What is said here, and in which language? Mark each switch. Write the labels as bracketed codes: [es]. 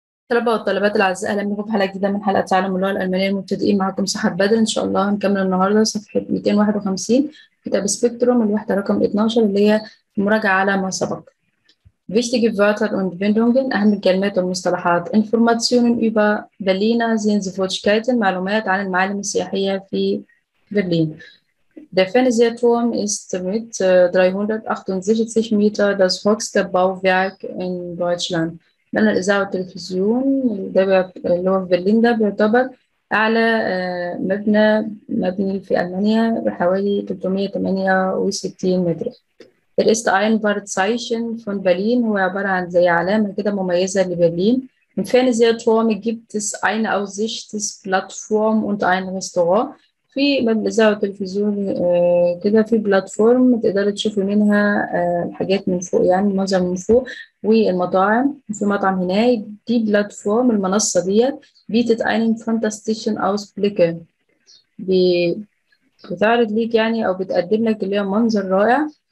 [ar] طلبة والطلبات الأعزاء، أهلا بكم في حلقة جديدة من حلقة تعلم اللغة الألمانية المبتدئين. معكم سحر بدر. إن شاء الله هنكمل النهاردة صفحة 251 كتاب سبيكتروم، الوحدة رقم 12 اللي هي مراجعة على ما سبق. [de] Wichtige Wörter und Wendungen، [ar] أهم الكلمات والمصطلحات. [de] Informationen über Berliner Sehenswürdigkeiten، [ar] معلومات عن المعالم السياحية في برلين. [de] Der Fernsehturm ist mit 368 Meter das höchste Bauwerk in Deutschland. [ar] لأن الإذاعة والتلفزيون ده اللي هو في برلين ده بيعتبر أعلى مبني في ألمانيا بحوالي 368 متر. [de] Er ist ein Wahrzeichen von Berlin، [ar] هو عبارة عن زي علامة كده مميزة لبرلين. [de] Im Fernsehturm gibt es eine Aussichtsplattform und ein Restaurant. [ar] في الإذاعة والتلفزيون كده في بلاتفورم تقدر تشوف منها الحاجات من فوق، يعني المنظر من فوق، والمطاعم. في مطعم هناك دي بلاتفورم، المنصة ديت بيتت اينين فانتاستيشن اوس بليكن، بتعرض ليك يعني او بتقدم لك اللي هي منظر رائع.